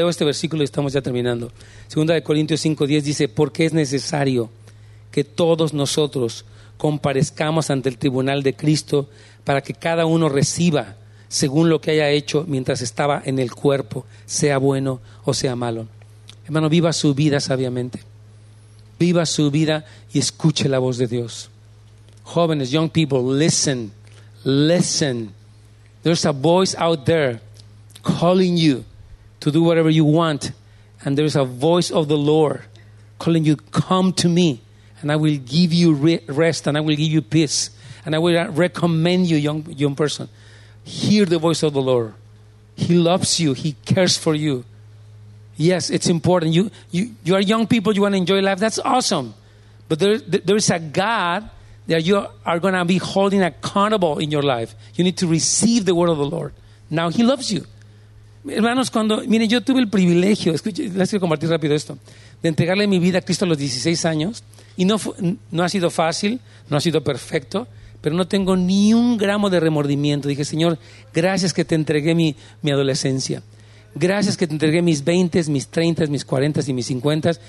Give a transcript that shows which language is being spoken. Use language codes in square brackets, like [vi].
[es] Leo este versículo y estamos ya terminando. Segunda de Corintios 5:10 dice, porque es necesario que todos nosotros comparezcamos ante el tribunal de Cristo para que cada uno reciba según lo que haya hecho mientras estaba en el cuerpo, sea bueno o sea malo. Hermano, viva su vida sabiamente. Viva su vida y escuche la voz de Dios. Jóvenes, [en] young people, listen, listen. There's a voice out there calling you to do whatever you want. And there's a voice of the Lord calling you, come to me and I will give you rest and I will give you peace. And I will recommend you, young person, hear the voice of the Lord. He loves you. He cares for you. Yes, it's important. You are young people. You want to enjoy life. That's awesome. But there is a God that you are going to be holding accountable in your life. You need to receive the word of the Lord. Now he loves you. [es] Hermanos, cuando, mire, yo tuve el privilegio, les quiero compartir rápido esto, de entregarle mi vida a Cristo a los 16 años, y no ha sido fácil, no ha sido perfecto, pero no tengo ni un gramo de remordimiento. Dije, Señor, gracias que te entregué mi adolescencia. Gracias que te entregué mis 20, mis 30, mis 40 y mis 50.